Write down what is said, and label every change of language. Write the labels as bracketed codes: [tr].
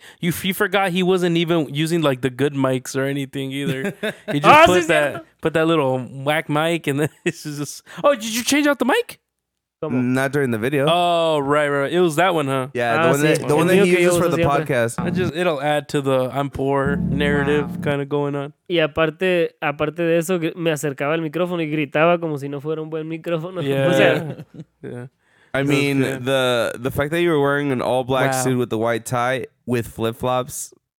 [en] Like you forgot he wasn't even using like the good mics or anything either. He just put that little whack mic and then it's just. Oh, did you change out the mic? Not during the video. Oh, right. It was that one, huh? Yeah, the one that he uses for the podcast. It'll add to the I'm poor narrative kind of going on. [es] Y aparte de eso, me acercaba al micrófono y gritaba como si no fuera un buen micrófono. [en] Yeah. [es] O sea, [en] yeah. I mean, the fact that you were wearing an all-black suit with the white tie with flip-flops.